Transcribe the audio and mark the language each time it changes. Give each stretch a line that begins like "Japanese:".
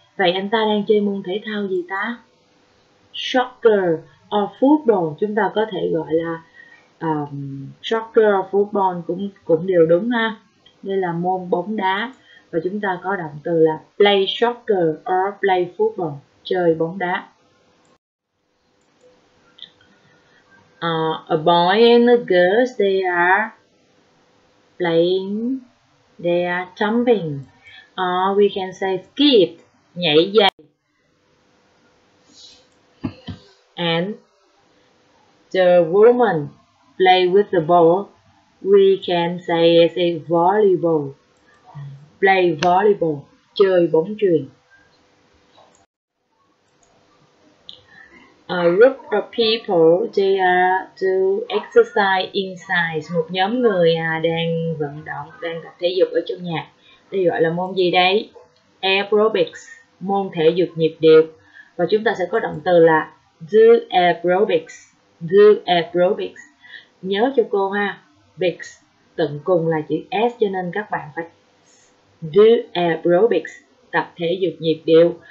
Vietnamese: Vậy anh ta đang chơi môn thể thao gì ta?
English: Soccer or football,
Vietnamese: chúng ta có thể gọi là
English: soccer or football
Vietnamese: cũng đều đúng ha. Đây là môn bóng đá. Và chúng ta có động từ là
English: play soccer or play football,
Vietnamese: chơi bóng đá.
English: A boy and a girl, they are playing, they are jumping. We can say skip,
Vietnamese: nhảy dây.
English: And the woman play with the ball, we can say it's a volleyball. Play volleyball,
Vietnamese: chơi bóng chuyền.
English: A group of people, they are to exercise inside.
Vietnamese: Một nhóm người đang vận động, đang tập thể dục ở trong nhà. Đây gọi là môn gì đấy? Aerobics, môn thể dục nhịp điệu. Và chúng ta sẽ có động từ là
English: do aerobics. Do aerobics.
Vietnamese: Nhớ cho cô ha, bics tận cùng là chữ S cho nên các bạn phải
English: do aerobics,
Vietnamese: tập thể dục nhịp điệu.